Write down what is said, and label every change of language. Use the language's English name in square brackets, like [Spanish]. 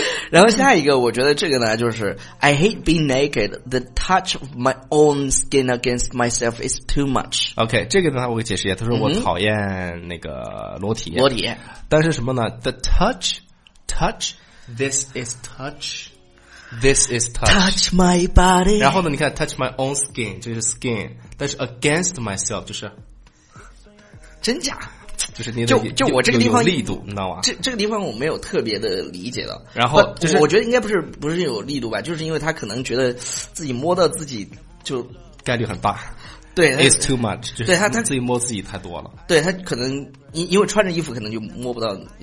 [Chinese] 然后下一个，我觉得这个呢，就是 [English] I hate being naked. The touch of my own skin against myself is too much. [Chinese] OK， 这个呢，我给解释一下。他说我讨厌那个裸体，裸体。但是什么呢 ？ [English] The touch, this is touch, this is touch. Touch my body. [Chinese] 然后呢，你看 [English] touch my own skin， [Chinese] 这是 skin， 但是 [English] against myself [Chinese] 就是真假。就是你的就我这个地方有力度，你知道吗？这个地方我没有特别的理解的。然后就是我觉得应该不是有力度吧，就是因为他可能觉得自己摸到自己就概率很大。对 [English] ，it's too much， [Chinese] 对他自己摸自己太多了。对他可能因为穿着衣服可能就摸不到，